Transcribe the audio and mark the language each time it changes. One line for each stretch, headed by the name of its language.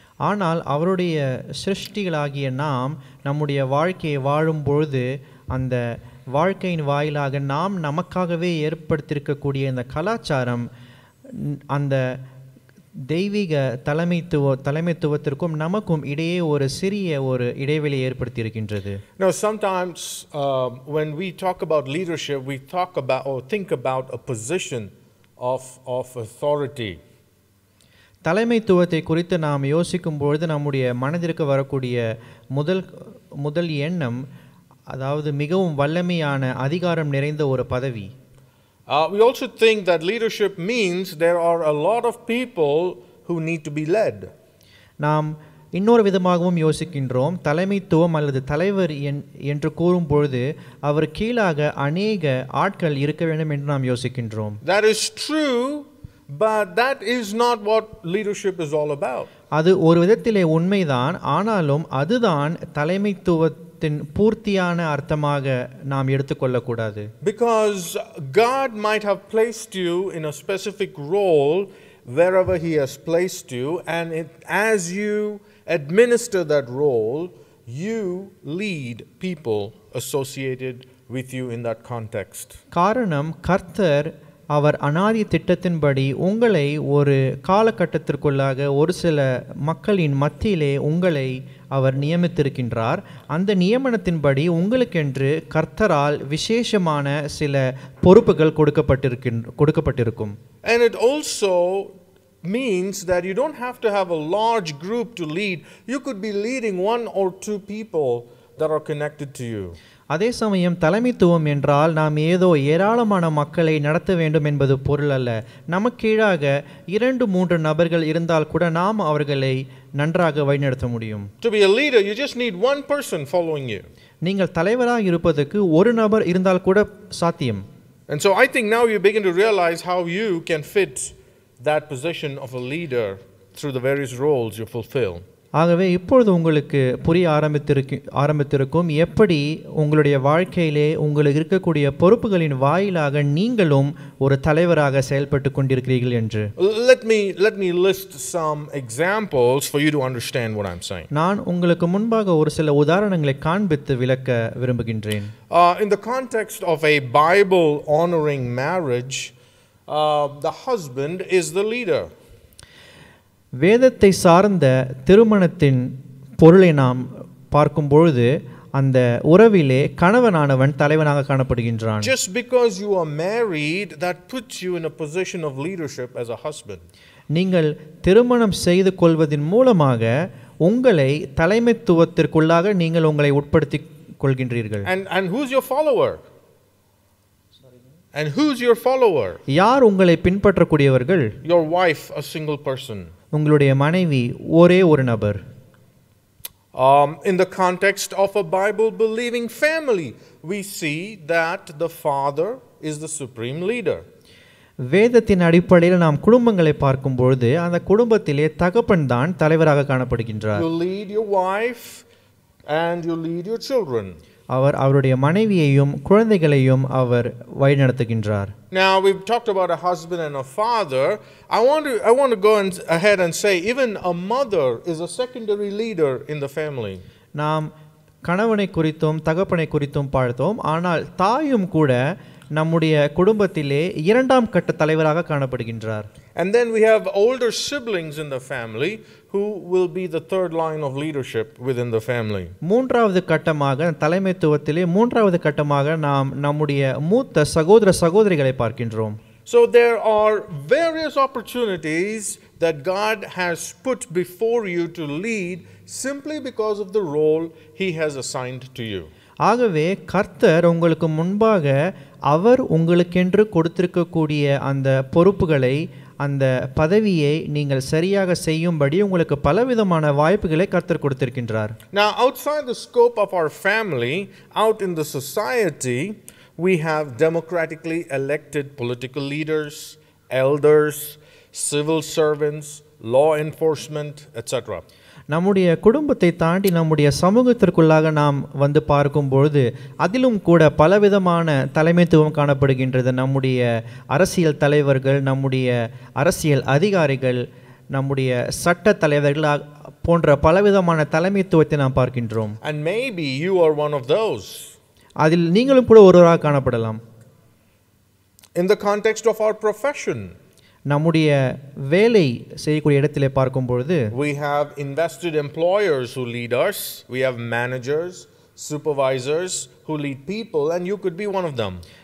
Tamil: ஆனால் அவருடைய சிருஷ்டிகளாகிய நாம் நம்முடைய வாழ்க்கையை வாழும்பொழுது அந்த வாழ்க்கையின் வாயிலாக நாம் நமக்காகவே ஏற்படுத்தியிருக்கக்கூடிய இந்த கலாச்சாரம் அந்த தெய்வீக தலைமைத்துவத்திற்கும் நமக்கும் இடையே ஒரு சிறிய ஒரு இடைவெளி ஏற்படுத்தியிருக்கின்றது.
English: Now sometimes when we talk about leadership we talk about or think about a position of authority.
Tamil: தலைமைத்துவத்தை குறித்து நாம் யோசிக்கும் பொழுது நம்முடைய மனதிற்கு வரக்கூடிய முதல் எண்ணம் அதாவது மிகவும் வல்லமையான அதிகாரம் நிறைந்த ஒரு பதவி.
English: We also think that leadership means there are a lot of people who need to be led.
Tamil: நாம் இன்னொரு விதமாகவும் யோசிக்கின்றோம். தலைமைத்துவம் அல்லது தலைவர் என்று கூறும் பொழுது அவர் கீழாக அநேக ஆட்கள் இருக்க வேண்டும் என்று நாம் யோசிக்கின்றோம்.
English: That is true. But that is not what leadership is all about.
Tamil: அது ஒரு விதத்திலே உண்மைதான். ஆனாலும் அதுதான் தலைமைத்துவத்தின் பூர்த்தியான அர்த்தமாக நாம் எடுத்துக்கொள்ளக்கூடாது.
English: Because God might have placed you in a specific role wherever he has placed you, and it, as you administer that role, you lead people associated with you in that context.
Tamil: காரணம் கர்த்தர் அவர் அநாதி திட்டத்தின்படி உங்களை ஒரு காலகட்டத்திற்குள்ளாக ஒரு சில மக்களின் மத்தியிலே உங்களை அவர் நியமித்திருக்கின்றார். அந்த நியமனத்தின்படி உங்களுக்கென்று கர்த்தரால் விசேஷமான சில பொறுப்புகள் கொடுக்கப்பட்டிருக்கும்.
English: And it also means that you don't have to have a large group to lead. You could be leading one or two people that are connected to you.
Tamil: அதே சமயம் தலைமைத்துவம் என்றால் நாம் ஏதோ ஏராளமான மக்களை நடத்த வேண்டும் என்பது பொருள் அல்ல. நமக்கு கீழாக இரண்டு மூன்று நபர்கள் இருந்தால் கூட நாம் அவர்களை நன்றாக வழிநடத்த முடியும்.
English: To be a leader, you just need one person following you.
Tamil: நீங்கள் தலைவராக இருப்பதற்கு ஒரு நபர் இருந்தால் கூட சாத்தியம்.
English: And so I think now you begin to realize how you can fit that position of a leader through the various roles you fulfill.
Tamil: ஆகவே இப்பொழுது உங்களுக்கு புரிய ஆரம்பித்திருக்கும் எப்படி உங்களுடைய வாழ்க்கையிலே உங்களுக்கு இருக்கக்கூடிய பொறுப்புகளின் வாயிலாக நீங்களும் ஒரு தலைவராக செயல்பட்டு கொண்டிருக்கிறீர்கள் என்று.
English: Let me list some examples for you to understand what I'm saying.
Tamil: நான் உங்களுக்கு முன்பாக ஒரு சில உதாரணங்களை காண்பித்து விளக்க விரும்புகின்றேன்.
English: In the context of a Bible honoring marriage, the husband is the leader.
Tamil: வேதத்தை சார்ந்த திருமணத்தின் பொருளை நாம் பார்க்கும் பொழுது அந்த உறவிலே கணவனானவன் தலைவனாக காணப்படுகின்றான்.
English: Just because you are married, that puts you in a position of leadership as a husband.
Tamil: நீங்கள் திருமணம் செய்து கொள்வதன் மூலமாக உங்களை தலைமைத்துவத்திற்குள்ளாக நீங்கள் உங்களை உட்படுத்தி கொள்கின்றீர்கள்.
English: And who's your follower? And who's your follower?
Tamil: யார் உங்களை பின்பற்றக்கூடியவர்கள்?
English: Your wife, a single person.
Tamil: உங்களுடைய மனைவி ஒரே ஒரு நபர்.
English: In the context of a Bible believing family, we see that the father is the supreme leader.
Tamil: வேதத்தின் அடிப்படையில் நாம் குடும்பங்களை பார்க்கும் பொழுது அந்த குடும்பத்திலே தகப்பன் தான் தலைவராக காணப்படுகின்றார்.
English: You lead your wife and you lead your children.
Tamil: அவர் அவருடைய மனைவியையும் குழந்தைகளையும் அவர் வழிநடத்துகின்றார்.
English: Now we've talked about a husband and a father. I want to go ahead and say even a mother is a secondary leader in the family.
Tamil: நாம் கணவனை குறித்தும் தகப்பனை குறித்தும் பார்த்தோம். ஆனால் தாயும் கூட நம்முடைய குடும்பத்திலே இரண்டாம் கட்ட தலைவராக காணப்படுகின்றார்.
English: And then we have older siblings in the family who will be the third line of leadership within the family.
Tamil: மூன்றாவது கட்டமாக தலைமைத்துவத்திலே மூன்றாவது கட்டமாக நாம் நம்முடைய மூத்த சகோதர சகோதரிகளை பார்க்கின்றோம்.
English: So there are various opportunities that God has put before you to lead simply because of the role he has assigned to you.
Tamil: ஆகவே கர்த்தர் உங்களுக்கு முன்பாக அவர் உங்களுக்கென்று கொடுத்திருக்கக்கூடிய அந்த பொறுப்புகளை அந்த பதவியை நீங்கள் சரியாக செய்யும்படி உங்களுக்கு பலவிதமான வாய்ப்புகளை கர்த்தர் கொடுத்திருக்கின்றார்.
English: Now outside the scope of our family, out in the society, we have democratically elected political leaders, elders, civil servants, law enforcement, etc.
Tamil: நம்முடைய குடும்பத்தை தாண்டி நம்முடைய சமூகத்திற்குள்ளாக நாம் வந்து பார்க்கும் பொழுது அதிலும் கூட பலவிதமான தலைமைத்துவம் காணப்படுகின்றது. நம்முடைய அரசியல் தலைவர்கள், நம்முடைய அரசியல் அதிகாரிகள், நம்முடைய சட்ட தலைவர்கள் போன்ற பலவிதமான தலைமைத்துவத்தை நாம் பார்க்கின்றோம்.
English: And maybe you are one of those.
Tamil: அதில் நீங்களும் கூட ஒருவராக காணப்படலாம்.
English: In the context of our profession,
Tamil: நம்முடைய வேலை செய்யக்கூடிய இடத்திலே பார்க்கும் பொழுது
English: we have invested employers who lead us, we have managers, supervisors who lead people, and you could be one of them.